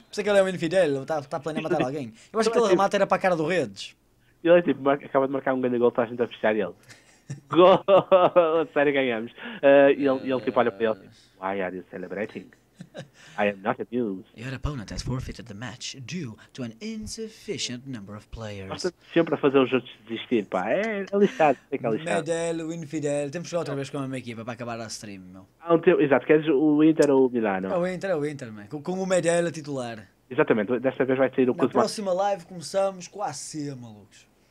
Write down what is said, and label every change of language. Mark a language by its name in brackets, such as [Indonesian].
[Portuguese] Pensei que ele é um infidel, está planejando matar alguém. Eu acho que aquele remate era para a cara do Redes. Ele é tipo, acaba de marcar um grande gol, está a gente a fechar ele. Gol! Sério, ganhamos. E ele tipo olha para ele e diz: Why are you celebrating? [English] I am not amused. Your opponent has forfeited the match due to an insufficient number of players. [Portuguese] Estás sempre a fazer os outros desistir, pá. É lixado, é que é lixado. Medel, o infidel. Temos que jogar outra vez com a minha equipa para acabar a stream, meu. Exato, queres o Inter ou o Milano? É o Inter, man. Com o Medel a titular. Exatamente, desta vez vai sair o Kuzma. Na próxima live começamos com a AC, malucos.